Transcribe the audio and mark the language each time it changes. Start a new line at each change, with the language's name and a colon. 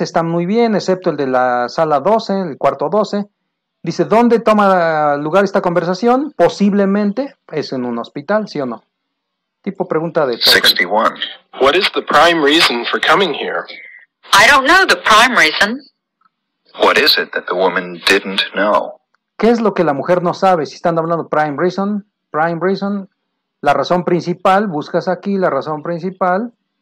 Spanish: Están muy bien, excepto el de la sala 12, el cuarto 12. Dice, ¿dónde toma lugar esta conversación? Posiblemente es en un hospital, ¿sí o no? Tipo pregunta de TOEFL. 61.
English: What is the prime reason for coming here? I don't know the prime reason. What is it that the woman didn't know?
Spanish: ¿Qué es lo que la mujer no sabe? Si están hablando prime reason, la razón principal, buscas aquí la razón principal.